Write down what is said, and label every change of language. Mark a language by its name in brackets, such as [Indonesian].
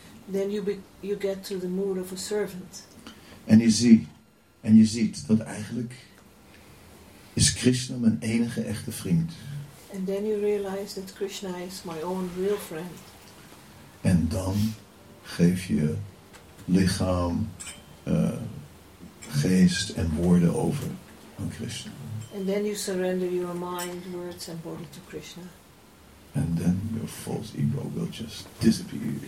[English] Then you get to the mood of a servant. [Dutch] En je ziet dat eigenlijk is Krishna mijn enige echte vriend. [English] And then you realize that Krishna is my own real friend. [Dutch] En dan geef je lichaam, geest en woorden over aan Krishna. [English] And then you surrender your mind, words and body to Krishna. And then your false ego will just disappear.